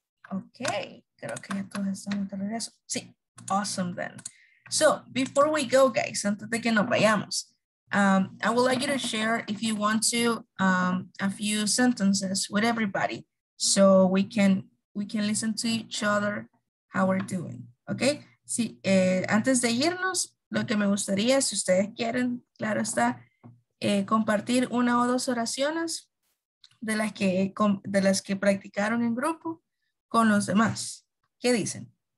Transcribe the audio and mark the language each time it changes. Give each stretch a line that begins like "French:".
Spanish: Okay, creo que ya todos estamos de regreso.
English: Sí, awesome then. So, before we go, guys,
Spanish: antes de que nos vayamos,
English: I would like you to share, if you want to, a few sentences with everybody so we can listen to each other how we're doing, okay?
Spanish: Sí, antes de irnos, lo que me gustaría, si ustedes quieren, claro está, compartir una o dos oraciones de las que practicaron en grupo con los demás. ¿Qué dicen?